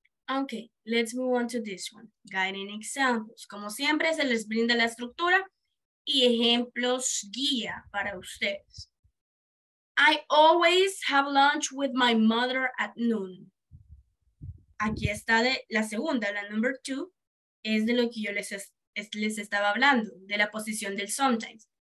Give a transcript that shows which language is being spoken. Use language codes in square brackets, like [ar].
[en] Okay, let's move on to this one. Guiding examples. [es] Como siempre, se les brinda la estructura y ejemplos guía para ustedes. [en] I always have lunch with my mother at noon. [es] Aquí está la segunda, la [en] number two, [es] es de lo que yo les les estaba hablando, de la posición del sometimes.